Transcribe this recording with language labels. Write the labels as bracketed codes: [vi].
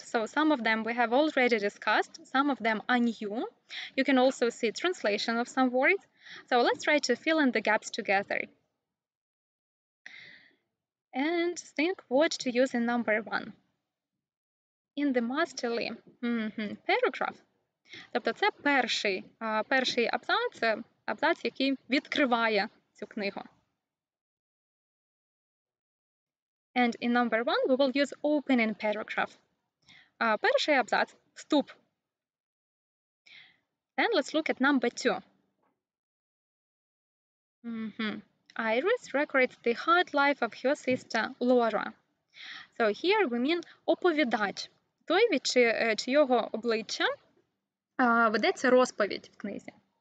[en] So some of them we have already discussed, some of them are new. You can also see translation of some words. So let's try to fill in the gaps together. And think what to use in number one. In the masterly paragraph. [uk] Тобто це перший абзац, абзац, який відкриває цю книгу. [en] And in number one we will use opening paragraph. [uk] Перший абзац – вступ. [en] Then let's look at number two. Iris records the hard life of her sister Laura. So here we mean оповідач. [uk] Той, від чийого обличчя ведеться розповідь в книзі.